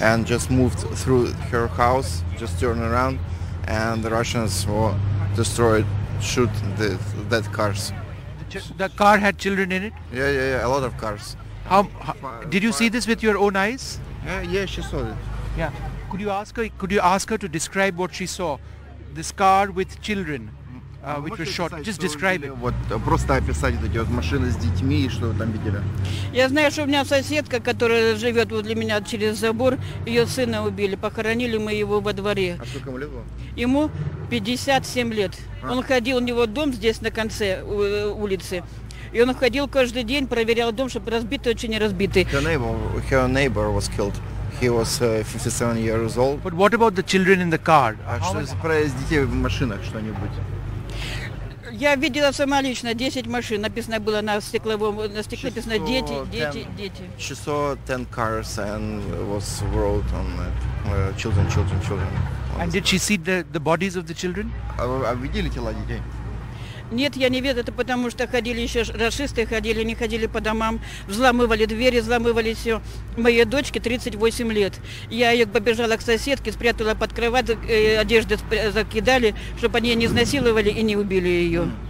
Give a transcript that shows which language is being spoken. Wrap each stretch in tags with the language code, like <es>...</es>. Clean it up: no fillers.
<en>and just moved through her house, just turned around, and the Russians were destroyed, shoot that cars. The car had children in it? Yeah, a lot of cars. Did you see this with your own eyes? Yeah, she saw it. Yeah. Could you ask her to describe what she saw? This car with children, which was shot. Just describe it.</en> <ru>Вот просто описать эти вот машины с детьми и что там видели. Я знаю, что у меня соседка, которая живет возле меня через забор, ее сына убили, похоронили мы его во дворе. А сколько ему лет было? Ему 57 лет. Он ходил, у него дом здесь на конце улицы. И он ходил каждый день, проверял дом, чтобы разбитый, очень разбитый.</ru> <en>Her neighbor was killed. He was 57 years old. But what about the children in the car?</en> <ru>Что про детей в машинах что-нибудь? Я видела сама лично 10 машин. Написано было на стекловом, на стекле написано дети.</ru> <en>She saw 10 cars and was wrote on it. Children. And did she see the bodies of the children?</en> <ru>А видели тела детей? Нет, я не видела, это потому что ходили еще расисты, ходили, не ходили по домам, взламывали двери, взламывали все. Моей дочке 38 лет. Я ее побежала к соседке, спрятала под кровать, одежды закидали, чтобы они не изнасиловали и не убили ее.</ru>